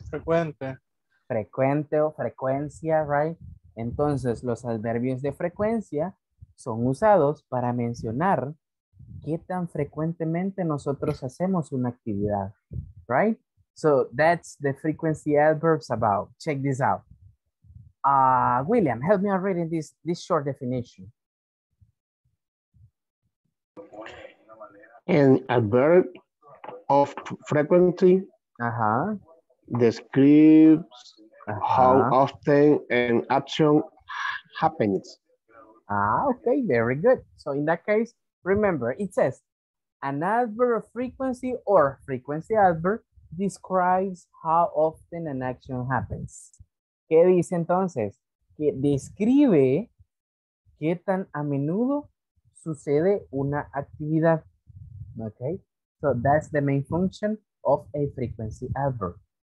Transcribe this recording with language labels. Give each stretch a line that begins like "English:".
Spanish: Frecuente. Frecuente o frecuencia, right? Entonces, los adverbios de frecuencia son usados para mencionar qué tan frecuentemente nosotros hacemos una actividad, right?
English: So, that's the frequency adverbs about. Check this out. William, help me on reading this short definition. An adverb of frequency. Uh-huh. Describes uh-huh. how often an action happens. Ah, okay, very good. So in that case, remember, it says an adverb of frequency or frequency adverb describes how often an action happens.
Spanish: ¿Qué dice entonces? Que describe qué tan a menudo sucede una actividad.
English: Okay, so that's the main function of a frequency adverb.